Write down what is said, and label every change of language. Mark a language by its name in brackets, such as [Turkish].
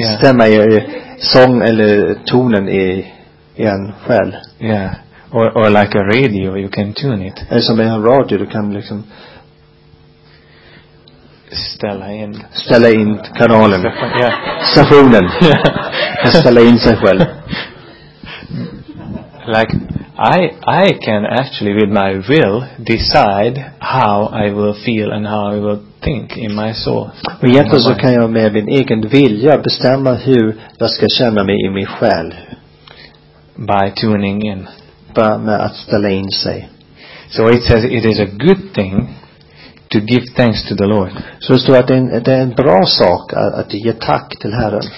[Swedish] stämma i sång eller tonen i en själ. [English] Yeah, or like a radio, you can tune it. [Swedish] Eller som en radio, du kan liksom ställa in kanalen, stationen, ställa in sig själv. [English] Like I can actually with my will decide how I will feel and how I will think in my soul. [Swedish] Och egentligen så kan jag med min egen vilja bestämma hur jag ska känna mig i min själ. [English] By tuning in. [Swedish] Med att ställa in sig. [English] So it says it is a good thing to give thanks to the Lord. [Swedish] Så det står att det är en bra sak att ge tack till Herren.